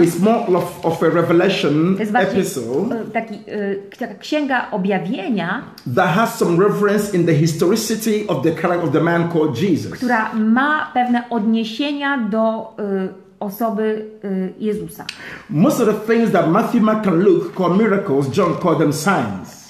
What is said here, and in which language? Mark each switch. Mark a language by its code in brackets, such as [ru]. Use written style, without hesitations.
[en] Is more of a revelation epistle. [pl] Taki księga objawienia. [en] That has some reference in the historicity of the character of the man called Jesus. [pl] Która ma pewne odniesienia do osoby Jezusa. [en] Most of the things that Matthew, Mark, and Luke call miracles, John called them signs.